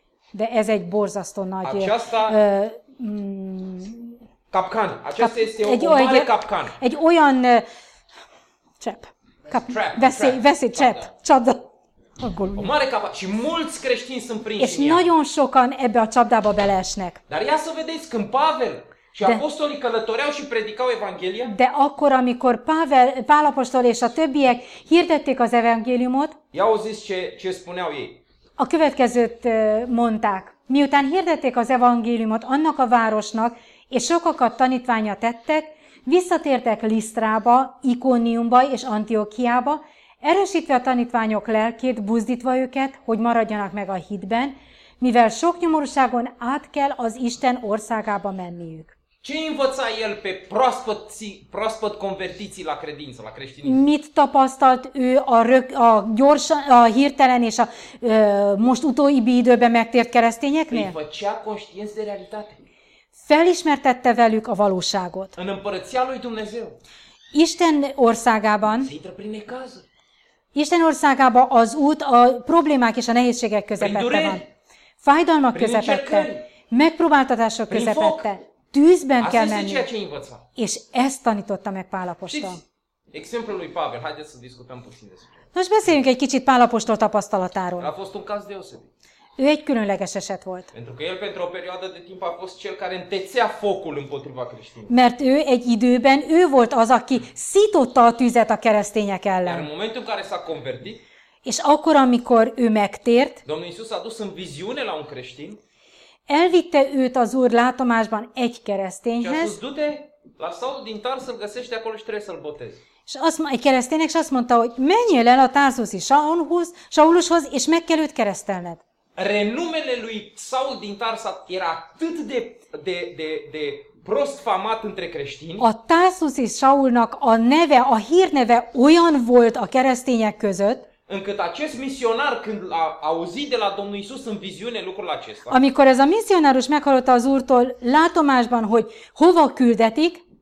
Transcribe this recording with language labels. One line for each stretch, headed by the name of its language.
Hungarian: De ez egy borzasztó nagy
Romanian: capcan. Aceasta este o mare capcan.
Hungarian: Egy olyan csepp. Veszély, csepp. Csapda.
Romanian: O mare capcan. Și mulți creștini sunt prinși în ea.
Hungarian: És nagyon sokan ebbe a csapdába beleesnek.
Romanian: Dar ia să vedeți când Pavel și apostolii călătoreau și predicau Evanghelia.
Hungarian: De akkor, amikor Pál apostol és a többiek hirdették az evangéliumot.
Romanian: Ia au zis ce spuneau ei.
Hungarian: A következőt mondták. Miután hirdették az evangéliumot annak a városnak, és sokakat tanítványa tettek, visszatértek Lisztrába, Ikóniumba és Antiókiába, erősítve a tanítványok lelkét, buzdítva őket, hogy maradjanak meg a hitben, mivel sok nyomorúságon át kell az Isten országába menniük.
Romanian: Ce învăța el pe proaspăt convertiții la credință, la creștinism?
Hungarian: Mit tapasztalt ő a hirtelen és a most utóibbi időben megtért keresztényeknél?
Romanian: Îi făcea conștienț de realitate.
Hungarian: Felismertette velük a valóságot.
Romanian: În împărăția lui Dumnezeu.
Hungarian: Isten országában. Sintra prime casa. Isten országában az út a problémák és a nehézségek közepette van. Fájdalmak közepette. Megpróbáltatások közepette. Tűzben kell menni. És ezt tanította meg Pál apostol.
Romanian: Exemplul lui Pavel, haideți să discutăm puțin despre.
Hungarian: Nos, beszéljünk egy kicsit Pál apostol tapasztalatáról.
Romanian: A fost un caz deosebit.
Hungarian: Ő egy különleges eset volt.
Romanian: Pentru că el pentru o perioadă de timp a fost cel care întețea focul împotriva creștinilor.
Hungarian: Mert ő egy időben ő volt az, aki szította a tüzet a keresztények ellen.
Romanian: În momentul în care s-a convertit.
Hungarian: És akkor, amikor ő megtért.
Romanian: Domnul Iisus a dus în viziune la un creștin.
Hungarian: Elvitte őt az Úr látomásban egy kereszténhez.
Romanian: Și a spus, du-te la Saul din Tars, îl găsește acolo și trebuie să-l botezi.
Hungarian: És azt egy kereszténynek, és azt mondta, hogy menjél el a tarsusi Saulushoz, és meg kell őt keresztelned.
Romanian: Renumele lui Saul din Tarsa era atât de prost famat între creștini.
Hungarian: A tarsusi Saulnak a neve, a hírneve olyan volt a keresztények között,
Romanian: încât acest misionar, când a auzit de la Domnul Iisus în viziune lucrul acesta,
Hungarian: amikor ez a misionárus meghallotta az Úrtól látomásban, hogy hova küldetik,